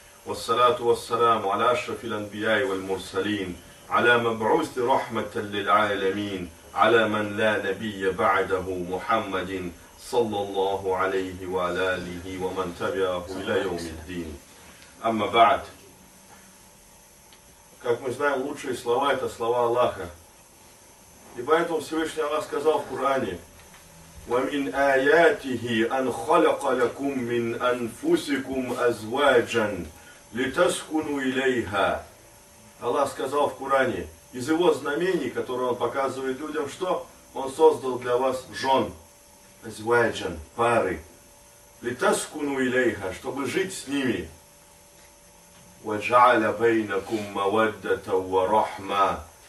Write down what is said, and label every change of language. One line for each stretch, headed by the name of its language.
Arabic: والصلاة والسلام على أشرف الأنبياء والمرسلين على مبعوث رحمة للعالمين على من لا نبي بعده محمد صلى الله عليه وعلى آله ومن تبعه إلى يوم الدين. Амма бад.
Russian: Как мы знаем, лучшие слова – это слова Аллаха. И поэтому Всевышний Аллах сказал в Коране:
Arabic: وَمِنْ آيَاتِهِ أَنْ خَلَقَ لَكُمْ مِنْ أَنْفُسِكُمْ أَزْوَاجًا لِتَسْكُنُوا إِلَيْهَا.
Russian: Аллах сказал в Коране, из Его знамений, которые Он показывает людям, что Он создал для вас жен, أزواجًا, пары,
Arabic: لِتَسْكُنُوا إِلَيْهَا,
Russian: чтобы жить с ними.
Arabic: وَجَعَلَ بَيْنَكُمْ مَوَدَّةً وَرَحْمَةً.